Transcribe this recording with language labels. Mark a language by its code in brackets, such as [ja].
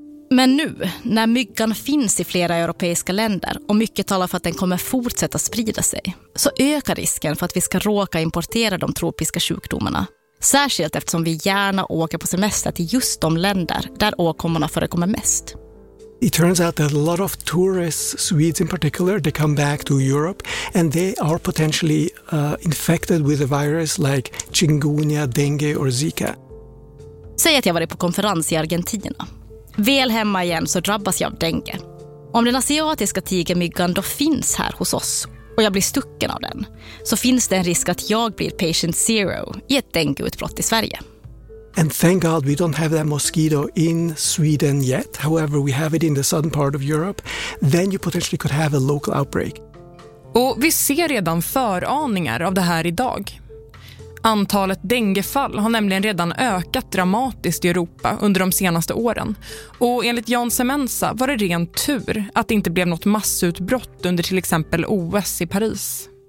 [sv] Men nu, när myggan finns i flera europeiska länder och mycket talar för att den kommer fortsätta sprida sig, så ökar risken för att vi ska råka importera de tropiska sjukdomarna. Särskilt eftersom vi gärna åker på semester till just de länder där åkommorna förekommer mest. [en] It turns out that a lot of tourists, Swedes in particular, they come back to Europe and they are potentially infected with a virus like chikungunya, dengue or Zika. [sv] Säg att jag varit på konferens i Argentina. Väl hemma igen så drabbas jag av dengue. Om den asiatiska tigermyggan då finns här hos oss och jag blir stucken av den, så finns det en risk att jag blir patient zero i ett dengueutbrott i Sverige. [en] And thank God we don't have that mosquito in Sweden yet. However, we have it in the southern part of Europe. Then you potentially could have a local outbreak. [sv] Och vi ser redan föraningar av det här idag. Antalet dengefall har nämligen redan ökat dramatiskt i Europa under de senaste åren. Och enligt Jan Semenza var det ren tur att det inte blev något massutbrott under till exempel OS i Paris.